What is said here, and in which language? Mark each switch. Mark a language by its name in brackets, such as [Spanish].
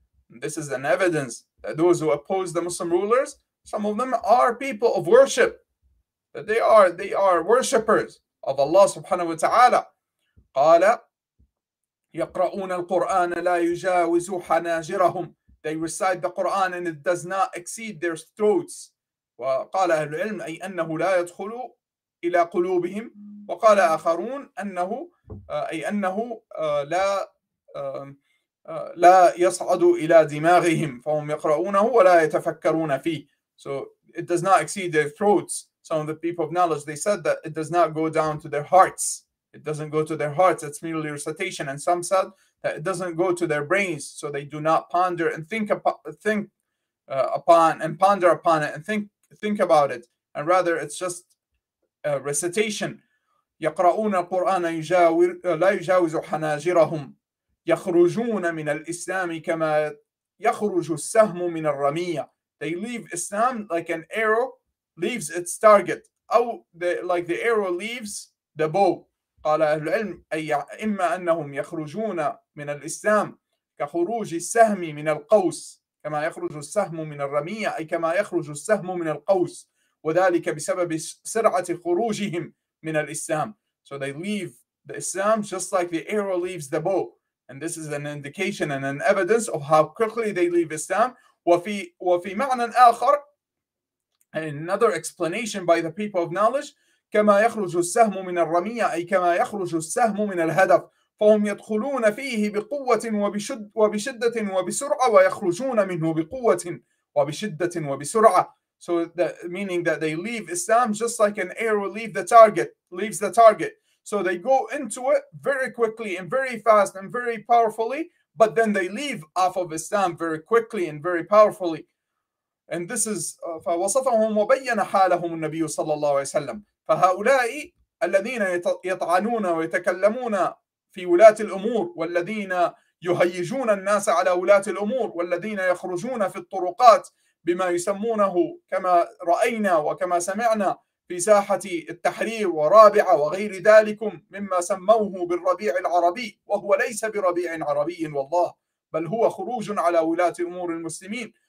[English] This is an evidence that those who oppose the Muslim rulers, some of them are people of worship, that they are worshippers of Allah subhanahu wa ta'ala. [Arabic] قال يقرؤون القرآن لا يجاوز حناجرهم. [English] They recite the Quran and it does not exceed their throats. [Arabic] وقال أهل العلم أي أنه لا يدخل إلى قلوبهم. وقال آخرون أنه أي أنه لا لا يصعد إلى دماغهم فهم يقرؤونه ولا يتفكرون فيه. [English] So it does not exceed their throats. Some of the people of knowledge, they said that it does not go down to their hearts. It doesn't go to their hearts. It's merely recitation. And some said that it doesn't go to their brains. So they do not ponder and think about it. And rather, it's just a recitation. [Arabic] يَقْرَأُونَ الْقُرْآنَ لَا يُجَاوِزُ حَنَاجِرَهُمْ يَخْرُجُونَ مِنَ الْإِسْلَامِ كَمَا يَخْرُجُ السَّهْمُ مِنَ الرَّمِيَّةِ. [English] They leave Islam like an arrow leaves its target, like the arrow leaves the bow. [Arabic] قال أهل العلم أي إما أنهم يخرجون من الإسلام كخروج السهم من القوس كما يخرج السهم من الرمية أي كما يخرج السهم من القوس وذلك بسبب سرعة خروجهم من الإسلام. [English] So they leave the Islam just like the arrow leaves the bow, and this is an indication and an evidence of how quickly they leave Islam. [Arabic] وفي معنى آخر, [English] another explanation by the people of knowledge, [Arabic] كما يخرج السهم من الرمية أي كما يخرج السهم من الهدف فهم يدخلون فيه بقوة وبشدة وبسرعة ويخرجون منه بقوة وبشدة وبسرعة. [English] So that meaning that they leave Islam just like an arrow leaves the target. So they go into it very quickly and very fast and very powerfully, but then they leave off of Islam very quickly and very powerfully. And this is [Arabic] فوصفهم وبين حالهم النبي صلى الله عليه وسلم. فهؤلاء الذين يطعنون ويتكلمون في ولاة الأمور والذين يهيجون الناس على ولاة الأمور والذين يخرجون في الطرقات بما يسمونه كما رأينا وكما سمعنا في ساحة التحرير ورابعة وغير ذلك مما سموه بالربيع العربي وهو ليس بربيع عربي والله بل هو خروج على ولاة أمور المسلمين.